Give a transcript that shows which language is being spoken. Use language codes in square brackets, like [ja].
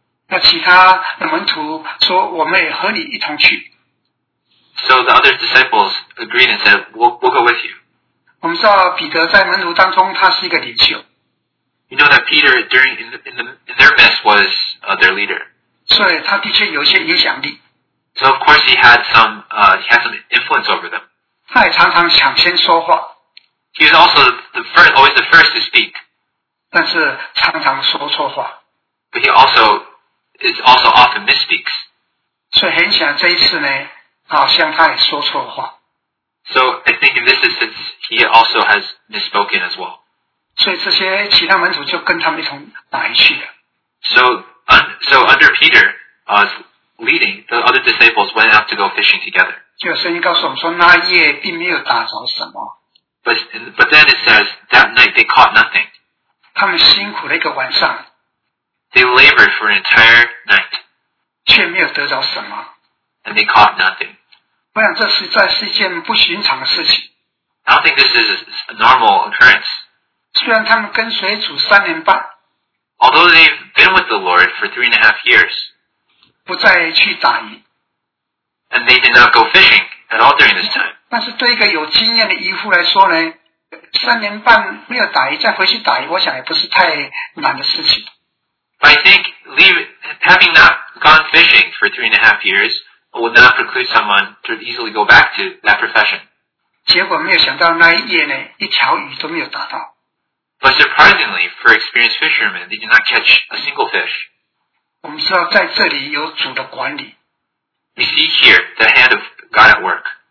[zh] 那其他的门徒说我们也和你一同去。 [en] So the other disciples agreed and said, we'll go with you. [zh] 我们知道彼得在门徒当中他是一个领袖。 [en] You know that Peter during in their midst was their leader. [zh] 所以他的确有些影响力。 [en] So of course he had some influence over them. [zh] 他也常常抢先说话。 [en] He was also always the first to speak. [zh] 但是常常说错话。 [en] But he also is also often misspeaks. [zh] 所以很显然这一次呢, 好像他也说错话。 [en] So I think in this instance, he also has misspoken as well. [zh] 所以这些其他门徒就跟他们一同来去了。 [en] So under Peter, leading, the other disciples went out to go fishing together. [zh] 就圣经告诉我们说, 那夜并没有打着什么。 [en] But then it says, that night they caught nothing. [zh] 他们辛苦了一个晚上。 [en] They labored for an entire night. [zh] 却没有得着什么。 [en] And they caught nothing. [zh] 我想这实在是一件不寻常的事情。 [en] I don't think this is a normal occurrence. [zh] 虽然他们跟随主3年半。 [en] Although they've been with the Lord for 3.5 years. [zh] 不再去打鱼。 [en] And they did not go fishing at all during this time. [zh] 但是对一个有经验的渔夫来说呢, 3年半没有打鱼, 再回去打鱼, 我想也不是太难的事情。 [en] But I think having not gone fishing for 3.5 years would not preclude someone to easily go back to that profession. [zh] 结果没有想到那一夜呢, 一条鱼都没有打到。 [en] But surprisingly, for experienced fishermen, they did not catch a single fish. [zh] 我们知道在这里有主的管理。 [en] We see here the hand of God at work.